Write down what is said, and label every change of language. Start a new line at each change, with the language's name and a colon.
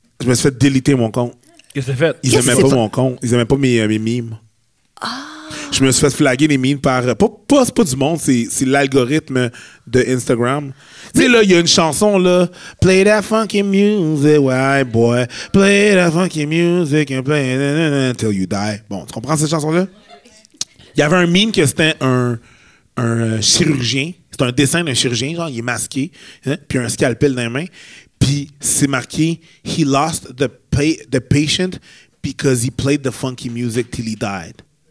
French: Je me suis fait déliter mon compte. Qu'est-ce que t'as fait? Ils aimaient pas mon compte. Ils aimaient pas mes memes. Je me suis fait flaguer les mines par... Pas du monde, c'est l'algorithme de Instagram. Tu sais, là, il y a une chanson, là.
English: Play that funky music, white boy. Play that funky music and play until you die.
French: Bon, tu comprends cette chanson-là? Il y avait un mime que c'était un chirurgien. C'est un dessin d'un chirurgien, genre, il est masqué. Hein? Puis un scalpel dans les mains. Puis c'est marqué «
English: He lost the patient because he played the funky music till he died. »